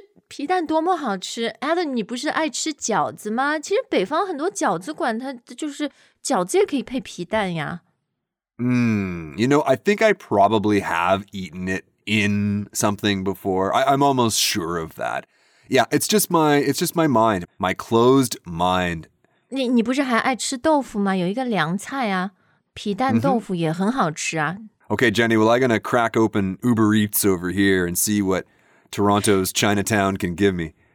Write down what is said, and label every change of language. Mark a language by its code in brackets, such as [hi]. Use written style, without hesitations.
[zh] 你们就是乱翻译我们的中国菜,好吧,毁了这个菜。其实皮蛋多么好吃, Adam,你不是爱吃饺子吗? 其实北方很多饺子馆,它就是饺子也可以配皮蛋呀。 [en] You know, I think I probably have eaten it in something before. I'm almost sure of that. Yeah, it's just my mind, my closed mind. [zh] 你不是还爱吃豆腐吗? 有一个凉菜啊, 皮蛋豆腐也很好吃啊。 [en] Okay, Jenny, well, I'm going to crack open Uber Eats over here and see what Toronto's Chinatown can give me.